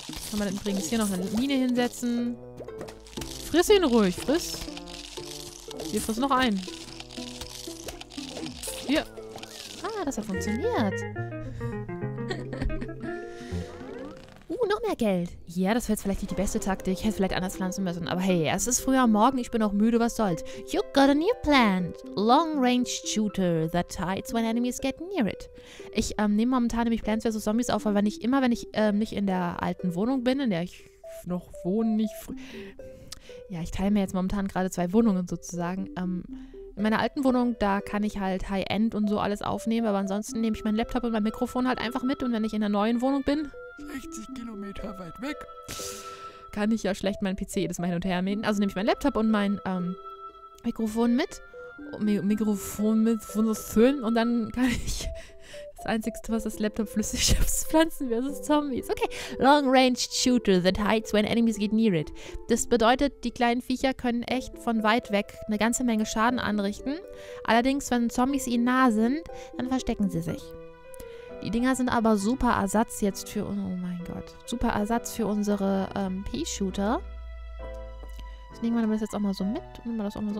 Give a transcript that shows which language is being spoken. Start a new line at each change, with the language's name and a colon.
German: Kann man übrigens hier noch eine Mine hinsetzen. Friss ihn ruhig, friss. Hier, friss noch einen. Hier. Ah, das hat funktioniert. Noch mehr Geld. Ja, das wäre jetzt vielleicht nicht die beste Taktik. Ich hätte vielleicht anders pflanzen müssen. Aber hey, es ist früher Morgen. Ich bin auch müde. Was soll's?
English: You got a new plant. Long-range shooter that hides when enemies get near it.
German: Ich nehme momentan nämlich Plants vs. Zombies auf, weil wenn ich immer, wenn ich nicht in der alten Wohnung bin, in der ich noch wohne, nicht früh... Ja, ich teile mir jetzt momentan gerade zwei Wohnungen sozusagen. In meiner alten Wohnung, da kann ich halt High-End und so alles aufnehmen. Aber ansonsten nehme ich meinen Laptop und mein Mikrofon halt einfach mit. Und wenn ich in der neuen Wohnung bin... 60 Kilometer weit weg. Kann ich ja schlecht meinen PC jedes Mal hin und her mähen. Also nehme ich mein Laptop und mein Mikrofon mit. Mikrofon mit Wunderschön. Und dann kann ich das Einzige, was das Laptop flüssig schafft, pflanzen versus Zombies. Okay.
English: Long range shooter that hides when enemies get near it.
German: Das bedeutet, die kleinen Viecher können echt von weit weg eine ganze Menge Schaden anrichten. Allerdings, wenn Zombies ihnen nah sind, dann verstecken sie sich. Die Dinger sind aber super Ersatz jetzt für... Oh mein Gott. Super Ersatz für unsere P-Shooter. Ich nehme das jetzt auch mal so mit. Und nehme das auch mal so...